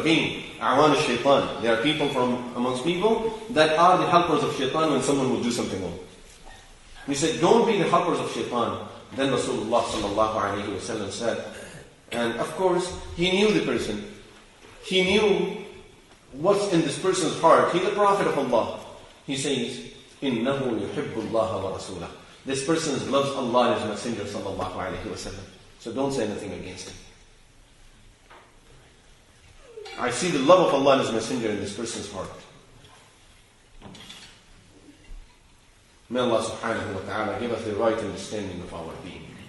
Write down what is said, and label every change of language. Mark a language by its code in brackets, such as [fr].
[en] Again, a'wan al-shaytan. There are people from amongst people that are the helpers of shaitan when someone will do something wrong. He said, don't be the helpers of shaitan. Then Rasulullah sallallahu alayhi wa sallam said, and of course, he knew the person. He knew what's in this person's heart. He's a prophet of Allah. [ar] He says, إِنَّهُ يُحِبُّ اللَّهَ وَرَسُولَهُ. [en] This person loves Allah and His Messenger sallallahu alayhi wa sallam. So don't say anything against him. I see the love of Allah and His Messenger in this person's heart. May Allah subhanahu wa ta'ala give us the right understanding of our being.